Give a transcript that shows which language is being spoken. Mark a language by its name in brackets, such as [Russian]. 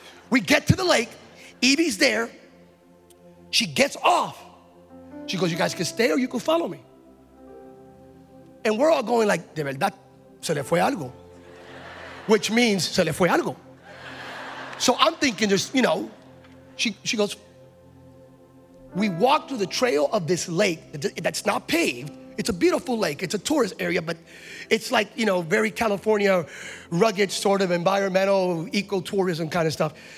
[English] We get to the lake. Evie's there. She gets off. She goes, you guys can stay or you can follow me. And we're all going like, [Spanish] de verdad, se le fue algo. [English] Which means, [Spanish] se le fue algo. [English] So I'm thinking, there's, you know, she goes, we walk through the trail of this lake that's not paved. It's a beautiful lake. It's a tourist area, but it's like, you know, very California, rugged sort of environmental, ecotourism kind of stuff.